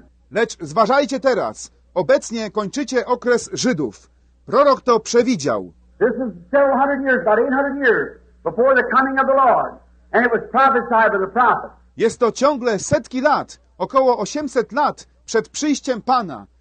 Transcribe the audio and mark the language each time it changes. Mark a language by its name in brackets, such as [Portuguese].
[Polish] Lecz zważajcie teraz, obecnie kończycie okres Żydów. Prorok to przewidział. [English] This is several hundred years, about 800 years before the coming of the Lord. And it was prophesied by the prophet. [Polish] Jest to ciągle setki lat, około 800 lat przed przyjściem Pana.